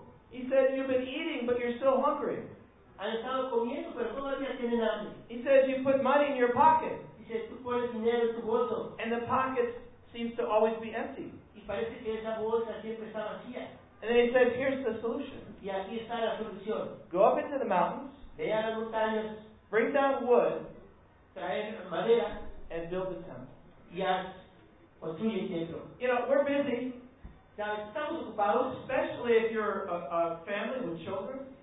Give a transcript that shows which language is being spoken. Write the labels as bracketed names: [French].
[English] He says, you've been eating but you're still hungry. [Spanish] Han estado comiendo, pero todavía tienen hambre. [English] He says, you put money in your pocket. [Spanish] Dice, tú pones dinero en tu bolso. [English] And the pocket seems to always be empty. [Spanish] Y parece que esa bolsa siempre está vacía. [English] And then he says, here's the solution. [Spanish] Y aquí está la solución. [English] Go up into the mountains. [Spanish] Ve a las montañas. [English] Bring down wood. [Spanish] Traer madera. [English] And build the temple. [Spanish] Y haz construye el templo. [English] You know, we're busy. [Spanish] Now, estamos ocupados. [English] Especially if you're a family with children.